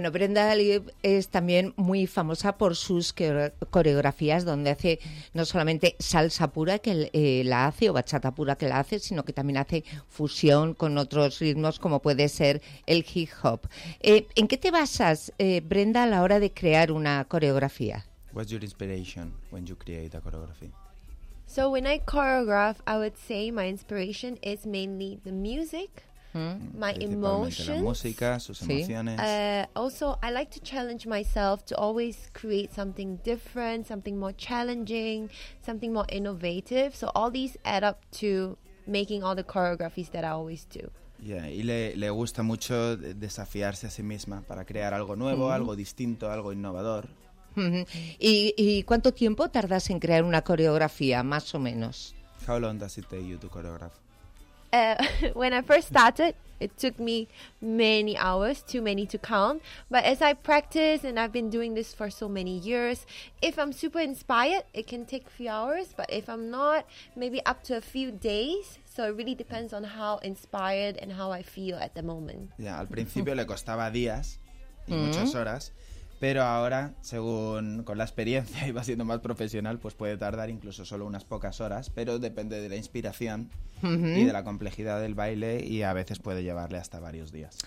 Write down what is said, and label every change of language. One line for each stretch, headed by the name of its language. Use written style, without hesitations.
Spanish: Bueno, Brenda Lieb es también muy famosa por sus coreografías, donde hace no solamente salsa pura que la hace, o bachata pura que la hace, sino que también hace fusión con otros ritmos, como puede ser el hip hop. ¿En qué te basas, Brenda, a la hora de crear una coreografía?
English: What's your inspiration when you create a choreography? So when I choreograph, I would say my inspiration is mainly the music, my emotions.
Spanish: La música, sus emociones.
English: Also, I like to challenge myself to always create something different, something more challenging, something more innovative. So all these add up to making all the choreographies that I always do.
Spanish: Yeah, y le gusta mucho desafiarse a sí misma para crear algo nuevo, algo distinto, algo innovador. ¿Y cuánto tiempo tardas en crear una coreografía, más o menos?
English: How long does it take you to choreograph? When I first started, it took me many hours, too many to count. But as I practice, and I've been doing this for so many years, if I'm super inspired, it can take a few hours. But if I'm not, maybe up to a few days. So it really depends on how inspired and how I feel at the moment.
Spanish: Yeah, al principio le costaba días y muchas horas. Pero ahora, según con la experiencia y va siendo más profesional, pues puede tardar incluso solo unas pocas horas, pero depende de la inspiración y de la complejidad del baile, y a veces puede llevarle hasta varios días.